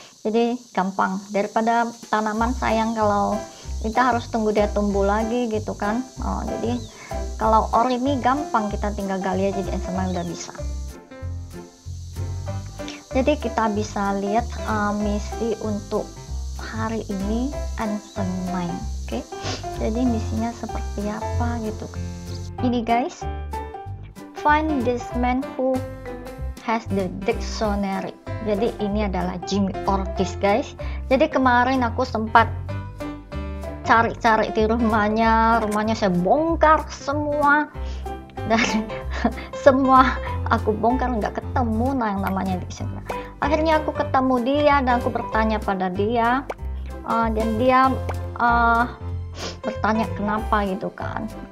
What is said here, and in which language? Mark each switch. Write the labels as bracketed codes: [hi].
[id] Jadi gampang daripada tanaman, sayang kalau kita harus tunggu dia tumbuh lagi gitu kan. Oh, jadi kalau ore ini gampang, kita tinggal gali aja di SMA udah bisa. Jadi kita bisa lihat misi untuk hari ini Ancient Mine, oke? Okay? Jadi misinya seperti apa gitu? [en] Ini guys, find this man who has the dictionary. [id] Jadi ini adalah Jimmy Ortiz guys. Jadi kemarin aku sempat cari-cari di rumahnya saya bongkar semua dan semua aku bongkar nggak ketemu yang namanya dictionary. Akhirnya aku ketemu dia dan aku bertanya pada dia dan dia bertanya kenapa gitu kan.